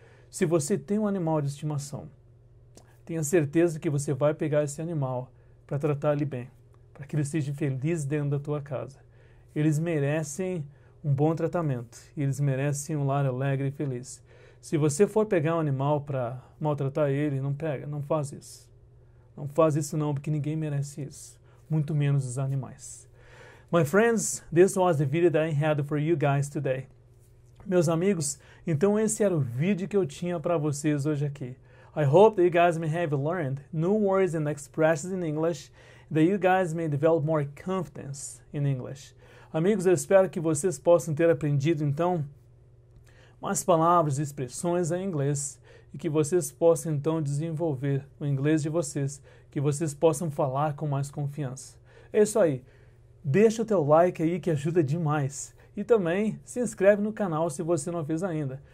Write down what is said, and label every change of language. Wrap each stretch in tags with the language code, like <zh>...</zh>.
<pt>Se você tem um animal de estimação, tenha certeza que você vai pegar esse animal para tratar ele bem, para que ele seja feliz dentro da tua casa. Eles merecem um bom tratamento, eles merecem um lar alegre e feliz. Se você for pegar um animal para maltratar ele, não pega, não faz isso. Não faz isso não, porque ninguém merece isso, muito menos os animais.</pt> <en>My friends, this was the video that I had for you guys today.</en> <pt>Meus amigos, então esse era o vídeo que eu tinha para vocês hoje aqui.</pt> <en>I hope that you guys may have learned new words and expressions in English, that you guys may develop more confidence in English.</en> <pt>Amigos, eu espero que vocês possam ter aprendido, então, mais palavras e expressões em inglês e que vocês possam, então, desenvolver o inglês de vocês, que vocês possam falar com mais confiança. É isso aí. Deixa o teu like aí que ajuda demais. E também se inscreve no canal se você não fez ainda.</pt>